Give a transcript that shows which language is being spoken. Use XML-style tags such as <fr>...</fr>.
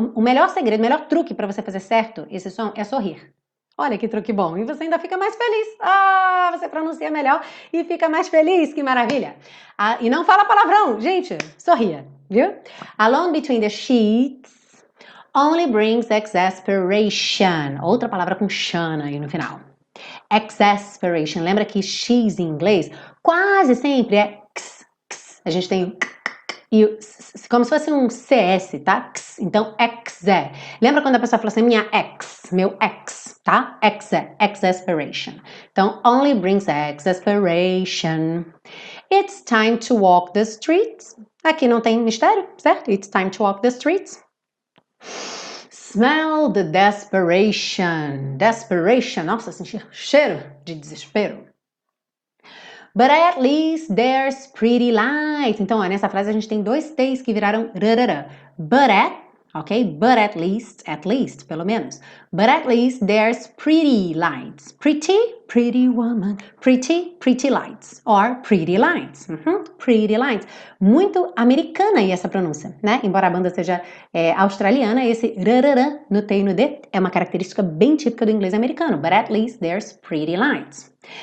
<pt>O melhor segredo, o melhor truque para você fazer certo esse som é sorrir. Olha que truque bom. E você ainda fica mais feliz. Ah, você pronuncia melhor e fica mais feliz. Que maravilha. Ah, e não fala palavrão, gente. Sorria, viu?</pt> <en>Alone between the sheets only brings exasperation.</en> <pt>Outra palavra com chana aí no final. Exasperation. Lembra que X em inglês quase sempre é X, X. A gente tem o K, K, K, e o X, como se fosse um CS, tá? X. Então, exé. Lembra quando a pessoa fala assim, minha ex, meu ex, tá? Exé. Exasperation.</pt> <en>Então, only brings exasperation. It's time to walk the streets.</en> <pt>Aqui não tem mistério, certo?</pt> <en>It's time to walk the streets. Smell the desperation. Desperation.</en> <pt>Nossa, sentir cheiro de desespero.</pt> <en>But at least there's pretty light.</en> <pt>Então, ó, nessa frase a gente tem dois T's que viraram rarara.</pt> <en>But at, ok? But at least,</en> <pt>pelo menos.</pt> <en>But at least there's pretty lights. Pretty, pretty woman. Pretty, pretty lights. Or pretty lights. Pretty lights.</en> <pt>Muito americana aí essa pronúncia, né? Embora a banda seja australiana, esse rarara no T e no D é uma característica bem típica do inglês americano.</pt> <en>But at least there's pretty lights.</en>